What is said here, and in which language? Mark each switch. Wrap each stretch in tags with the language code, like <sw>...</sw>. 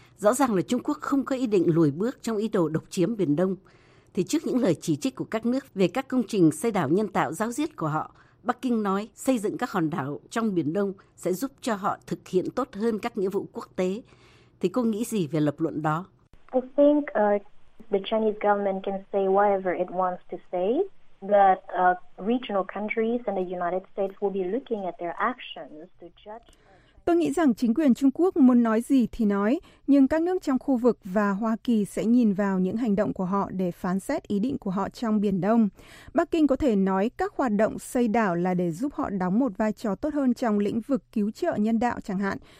<vi>Rõ ràng là Trung Quốc không có ý định lùi bước trong ý đồ độc chiếm Biển Đông. Thì trước những lời chỉ trích của các nước về các công trình xây đảo nhân tạo giáo diết của họ, Bắc Kinh nói xây dựng các hòn đảo trong Biển Đông sẽ giúp cho họ thực hiện tốt hơn các nghĩa vụ quốc tế. Thì cô nghĩ gì về lập luận đó?</vi> <en>I think the Chinese government can say whatever it wants to say, that regional countries and the United States will be looking at their actions to judge.</en> <vi>Tôi nghĩ rằng chính quyền Trung Quốc muốn nói gì thì nói, nhưng các nước trong khu vực và Hoa Kỳ sẽ nhìn vào những hành động của họ để phán xét ý định của họ trong Biển Đông. Bắc Kinh có thể nói các hoạt động xây đảo là để giúp họ đóng một vai trò tốt hơn trong lĩnh vực cứu trợ nhân đạo chẳng hạn.</vi>